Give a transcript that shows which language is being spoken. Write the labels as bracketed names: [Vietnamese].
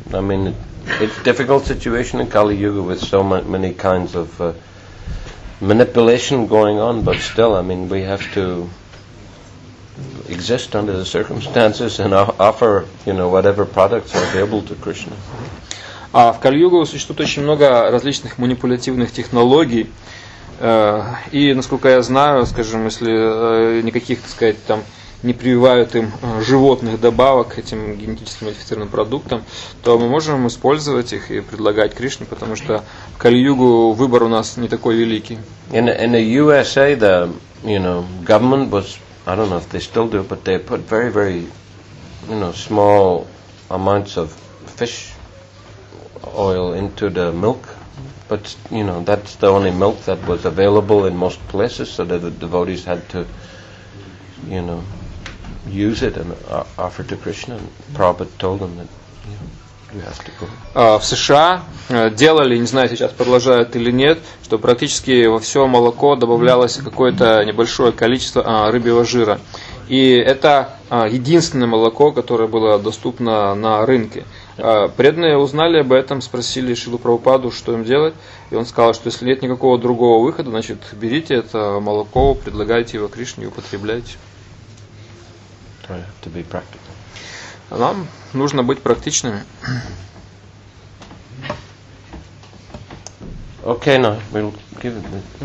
[English] I mean, it's a difficult situation in Kali Yuga with so many kinds of manipulation going on, but still, I mean, we have to exist under the circumstances and offer, you know, whatever products are available to Krishna. [Russian] А в Кали-Югу существует очень много различных манипулятивных технологий. И насколько я знаю, скажем, если никаких, так сказать, там не прививают им животных добавок этим генетически модифицированным продуктам, то мы можем использовать их и предлагать Кришне, потому что в Кали-Югу выбор у нас не такой великий. [English] In the USA, the, you know, government was, I don't know if they still do, but they put very, very, you know, small amounts of fish oil into the milk. But, you know, that's the only milk that was available in most places, so that the devotees had to, you know, use it and offer to Krishna. And Prabhupada told them that, you know, [Russian] в США делали, не знаю, сейчас продолжают или нет, что практически во все молоко добавлялось какое-то небольшое количество рыбьего жира. И это единственное молоко, которое было доступно на рынке. Преданные узнали об этом, спросили Шрилу Прабхупаду, что им делать. И он сказал, что если нет никакого другого выхода, значит, берите это молоко, предлагайте его Кришне и употребляйте. [English] To be practical. [Russian] Нам нужно быть практичными. [English] Okay, now we'll give it this.